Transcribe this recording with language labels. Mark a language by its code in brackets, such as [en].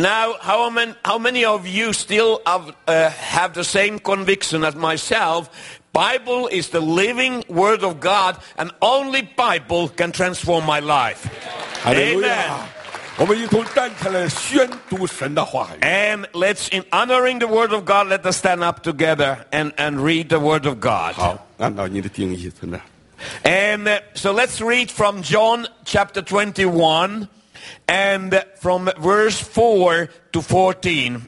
[en] Now, how many of you still have the same conviction as myself? Bible is the living word of God, and only Bible can transform my life. Hallelujah. Amen. [zh] 我们一同站起来宣读神的话语。 [en] And let's, in honoring the word of God, let us stand up together and read the word of God. [zh] 好，按照你的定义，从那。 [en] And so let's read from John chapter 21 and from verse 4 to 14.